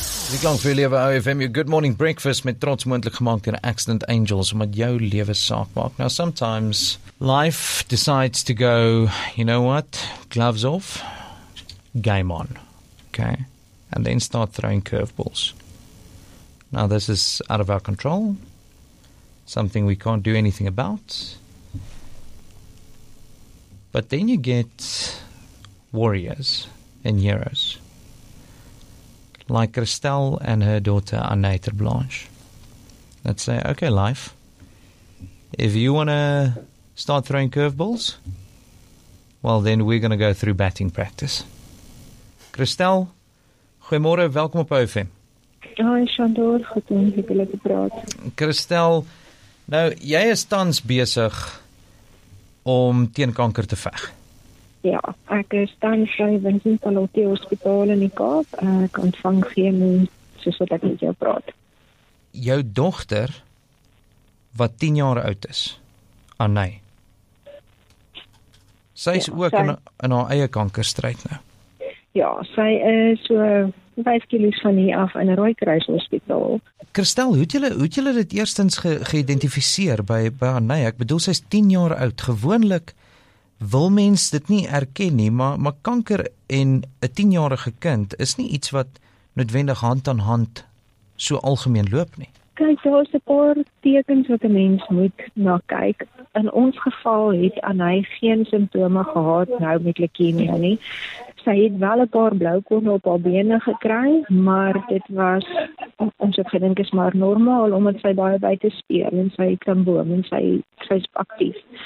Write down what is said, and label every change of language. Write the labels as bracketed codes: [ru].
[af] Die klank vir jou lewe OFM, jou Good Morning Breakfast met trots moontlik gemaak deur Accident Angels om met jou lewe saak maak. [en] Now sometimes life decides to go, you know what, gloves off, game on, okay, and then start throwing curveballs. Now this is out of our control, something we can't do anything about, but then you get warriors and heroes. Like Christelle and her daughter, Annette Blanche. Let's say, okay, life, if you want to start throwing curveballs, well, then we're going to go through batting practice. [af] Christelle, goeiemôre, welkom op OFM. Hi, Shandor, goed om met julle te praat. Christelle, nou, jy is tans besig om teen kanker te veg. Ja, ek is dan vry van Sint-Alotie Hospital in die Kaap. Ek ontvang chemo, soos wat ek met jou praat. Jou dochter, wat 10 jaar oud is, Anay, sy is ook in haar eie kankerstryd nou. Ja, sy is so 5 kilo's van hier af in Rooikruis Hospital. Christelle, hoe het julle dit eerstens geïdentificeer by Anay? Ek bedoel, sy is 10 jaar oud, gewoonlik, wil mens dit nie erken nie, maar kanker en 'n 10-jarige kind is nie iets wat noodwendig hand aan hand so algemeen loop nie. Kyk, daar is 'n paar tekens wat 'n mens moet na kyk. In ons geval het Anay geen simptome gehad nou met leukemie nie. Sy het wel 'n paar bloukonne op haar bene gekry, maar dit was, ons het gedink, is maar normaal, omdat sy baie buite speel en sy klim boom en sy is aktief.